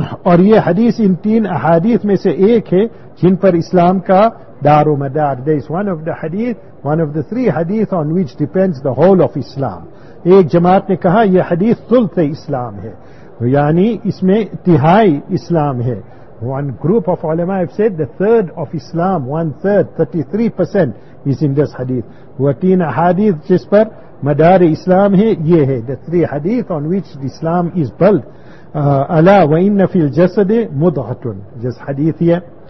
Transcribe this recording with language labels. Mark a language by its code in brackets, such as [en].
[ur] اور یہ حدیث ان تین احادیث میں سے ایک ہے جن پر اسلام کا دار و مدار. [en] There is one of the hadith, one of the three hadith on which depends the whole of Islam. [ur] ایک جماعت نے کہا یہ حدیث ثلث اسلام ہے, یعنی اس میں تہائی اسلام ہے. [en] One group of علماء have said the third of Islam, one third, 33% is in this hadith. [ur] وہ تین احادیث جس پر مدار اسلام ہے یہ ہے, [en] the three hadith on which Islam is built. [ar] Ala wa inna fil jasadi mudghatun, [en] just hadith here.